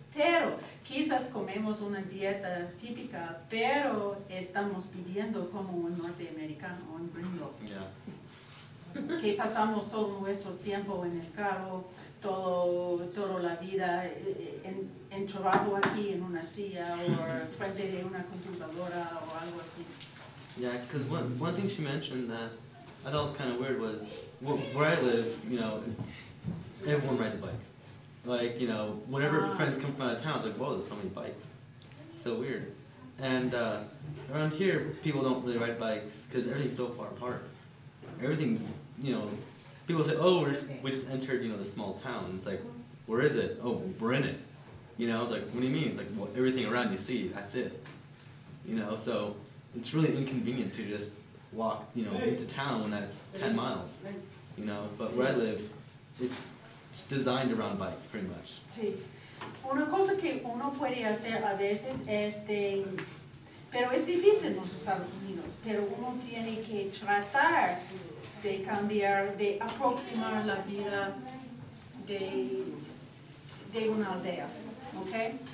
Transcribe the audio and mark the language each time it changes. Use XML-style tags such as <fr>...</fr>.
<es>Pero quizás comemos una dieta típica, pero estamos viviendo como un norteamericano, un gringo. Que pasamos todo nuestro tiempo en el carro, toda la vida en trabajo aquí, en una silla, o frente de una computadora, o algo así.</es> <en>Yeah, because one thing she mentioned that I thought was kind of weird was where I live, you know, everyone rides a bike. Like, you know, whenever friends come from out of town, it's like, whoa, there's so many bikes. So weird. And around here, people don't really ride bikes because everything's so far apart. Everything's, you know, people say, oh, we just entered, you know, the small town. It's like, where is it? Oh, we're in it. You know, it's like, what do you mean? It's like, well, everything around you see, that's it. You know, so it's really inconvenient to just walk, you know, into town when that's 10 miles, you know. But where I live, it's designed around bikes, pretty much.</en> <es>Sí. Una cosa que uno puede hacer a veces es de... Pero es difícil en los Estados Unidos. Pero uno tiene que tratar de cambiar, de aproximar la vida de una aldea, ¿ok?</es>